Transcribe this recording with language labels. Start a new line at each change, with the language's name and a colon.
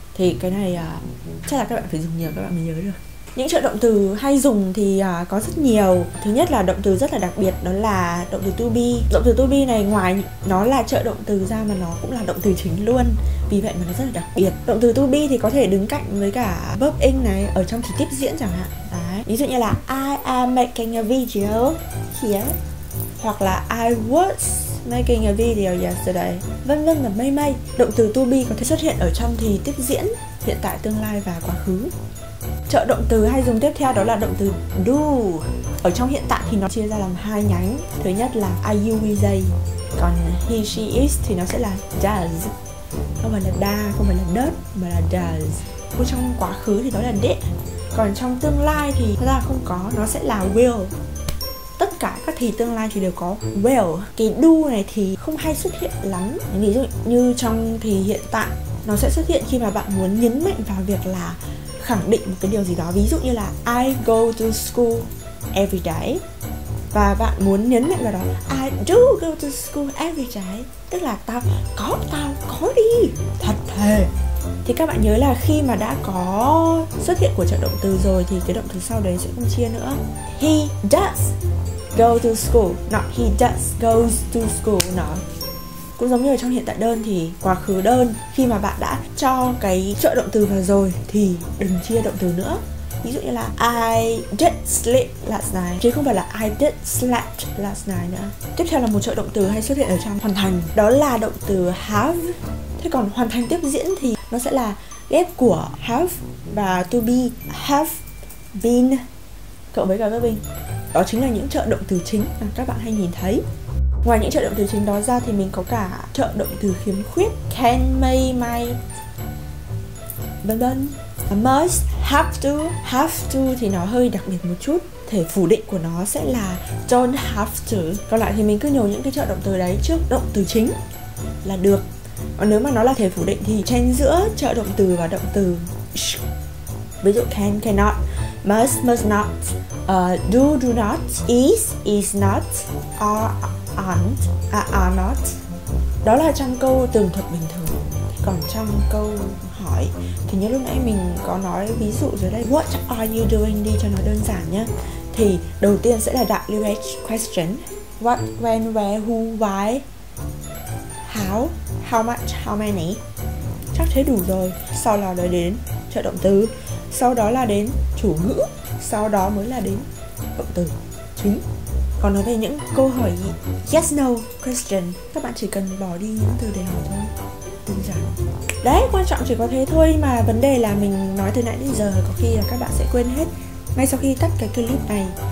Vietnamese: Thì cái này chắc là các bạn phải dùng nhiều các bạn mới nhớ được. Những trợ động từ hay dùng thì có rất nhiều. Thứ nhất là động từ rất là đặc biệt, đó là động từ to be. Động từ to be này ngoài nó là trợ động từ ra mà nó cũng là động từ chính luôn. Vì vậy mà nó rất là đặc biệt. Động từ to be thì có thể đứng cạnh với cả verb in này ở trong chỉ tiếp diễn chẳng hạn. Đấy. Ví dụ như là
English: I am making a video here.
Vietnamese: Hoặc là
English: I was making a video yesterday.
Vietnamese: Vân vân và mây mây. Động từ to be có thể xuất hiện ở trong thì tiếp diễn, hiện tại, tương lai và quá khứ. Trợ động từ hay dùng tiếp theo đó là động từ do. Ở trong hiện tại thì nó chia ra làm hai nhánh. Thứ nhất là I, you, we, they. Còn he, she, is thì nó sẽ là does. Không phải là da, không phải là does, mà là does. Còn trong quá khứ thì đó là did. Còn trong tương lai thì nó là không có, nó sẽ là will. Tất cả các thì tương lai thì đều có will. Cái do này thì không hay xuất hiện lắm. Ví dụ như trong thì hiện tại, nó sẽ xuất hiện khi mà bạn muốn nhấn mạnh vào việc là khẳng định một cái điều gì đó. Ví dụ như là
English: I go to school every day. Và bạn muốn nhấn mạnh vào đó, I do go to school every day.
Vietnamese: Tức là tao có đi, thật thề. Thì các bạn nhớ là khi mà đã có xuất hiện của trợ động từ rồi thì cái động từ sau đấy sẽ không chia nữa.
English: He does go to school, not he does goes to school, no.
Vietnamese: Cũng giống như ở trong hiện tại đơn thì quá khứ đơn, khi mà bạn đã cho cái trợ động từ vào rồi thì đừng chia động từ nữa. Ví dụ như là
English: I did sleep last night,
Vietnamese: chứ không phải là
English: I did slept last night
Vietnamese: nữa. Tiếp theo là một trợ động từ hay xuất hiện ở trong hoàn thành, đó là động từ have. Thế còn hoàn thành tiếp diễn thì nó sẽ là ghép của have và to be. Have been cộng với cả verb in, đó chính là những trợ động từ chính mà các bạn hay nhìn thấy. Ngoài những trợ động từ chính đó ra thì mình có cả trợ động từ khiếm khuyết, can, may, might, vân vân. Must, have to thì nó hơi đặc biệt một chút. Thể phủ định của nó sẽ là don't have to. Còn lại thì mình cứ nhồi những cái trợ động từ đấy trước động từ chính là được. Còn nếu mà nó là thể phủ định thì chen giữa trợ động từ và động từ. Ví dụ
English: can, cannot, must not, do not, is not, are not.
Vietnamese: Đó là trong câu tường thuật bình thường. Còn trong câu hỏi thì như lúc nãy mình có nói ví dụ dưới đây,
English: what are you doing
Vietnamese: đi cho nó đơn giản nhá. Thì đầu tiên sẽ là WH question.
English: What, when, where, who, why, how, how much, how many.
Vietnamese: Chắc thế đủ rồi. Sau đó là đến trợ động từ, sau đó là đến chủ ngữ, sau đó mới là đến động từ chính. Còn nói về những câu hỏi yes no question, các bạn chỉ cần bỏ đi những từ để hỏi thôi, đơn giản. Đấy, quan trọng chỉ có thế thôi, mà vấn đề là mình nói từ nãy đến giờ có khi là các bạn sẽ quên hết ngay sau khi tắt cái clip này.